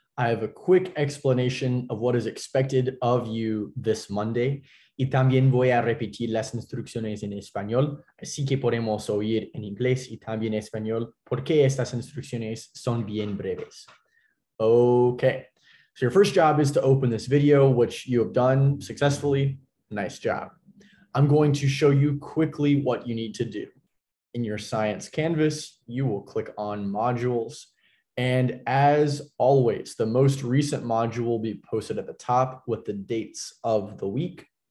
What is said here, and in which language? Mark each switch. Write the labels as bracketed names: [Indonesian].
[English] I have a quick explanation of what is expected of you this Monday. [Spanish] Y también voy a repetir las instrucciones en español, así que podemos oír en inglés y también español porque estas instrucciones son bien breves. [English] Okay, so your first job is to open this video, which you have done successfully. Nice job. I'm going to show you quickly what you need to do. In your science canvas, you will click on modules. And as always, the most recent module will be posted at the top with the dates of the week.